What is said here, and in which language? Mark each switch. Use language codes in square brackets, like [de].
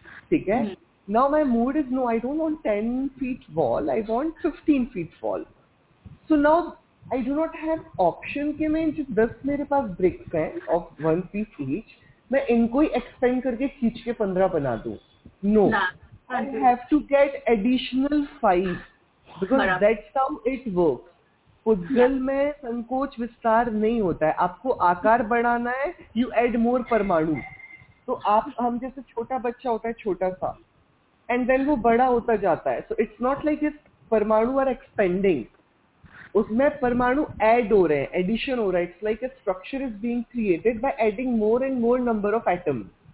[hi] ठीक है, [en] Now my mood is no, I don't want 10 feet wall, I want 15 feet wall. So now I do not have option [hi] के मैं जो 10 मेरे पास BRICS हैं [en] of 1 feet each, [hi] मैं इनको ही एक्सटेंड करके खींच के 15 बना दूं। [en] No, I have to get additional 5 because that's how it works. [hi] पुद्गल में संकोच विस्तार नहीं होता है, आपको आकार बढ़ाना है, [en] you add more [hi] परमाणु। तो आप हम जैसे छोटा बच्चा होता है छोटा सा, [en] and then [hi] वो बड़ा होता जाता है, [en] so it's not like [hi] इस परमाणु [en] are expanding, [hi] उसमें परमाणु [en] add [hi] हो रहे हैं, [en] addition [hi] हो रहा है, [en] it's like a structure is being created by adding more and more number of atoms.